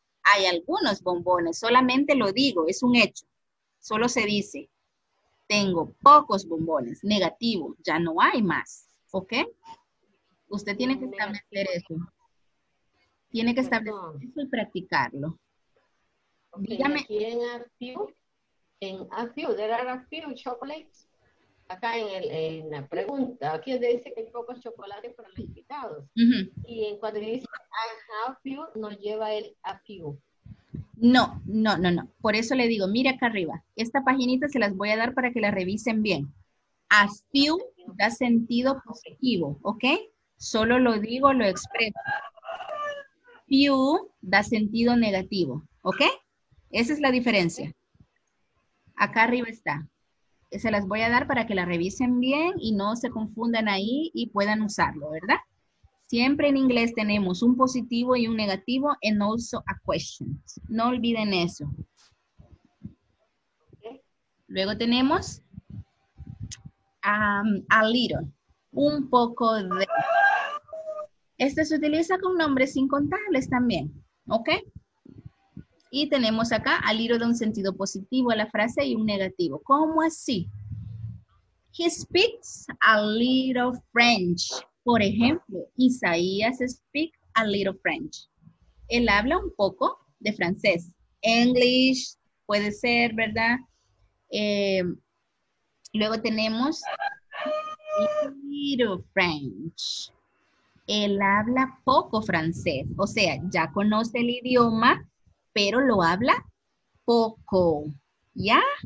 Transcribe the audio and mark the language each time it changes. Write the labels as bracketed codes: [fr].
[es] Hay algunos bombones, solamente lo digo, es un hecho. Solo se dice, tengo pocos bombones, negativo, ya no hay más, ¿ok? Usted tiene que establecer eso. Tiene que establecer eso y practicarlo. Okay, dígame. ¿Quién artigo? [en] En a few, there are a few chocolates. [es] Acá en la pregunta, aquí dice que hay pocos chocolates para los invitados. Y en cuando dice I have few, no lleva el a few. No, no, no, no. Por eso le digo, mire acá arriba. Esta paginita se las voy a dar para que la revisen bien. A few da sentido positivo, ¿ok? Solo lo digo, lo expreso. Few da sentido negativo, ¿ok? Esa es la diferencia. Acá arriba está. Se las voy a dar para que la revisen bien y no se confundan ahí y puedan usarlo, ¿verdad? Siempre en inglés tenemos un positivo y un negativo [en] and also a question. [es] No olviden eso. Luego tenemos a little. Un poco de. Este se utiliza con nombres incontables también, ¿ok? Y tenemos acá al hilo de un sentido positivo a la frase y un negativo. ¿Cómo así? [en] He speaks a little French. [es] Por ejemplo, [en] Isaías speaks a little French. [es] Él habla un poco de francés. English, puede ser, ¿verdad? Luego tenemos little French. Él habla poco francés. O sea, ya conoce el idioma, pero lo habla poco. ¿Ya?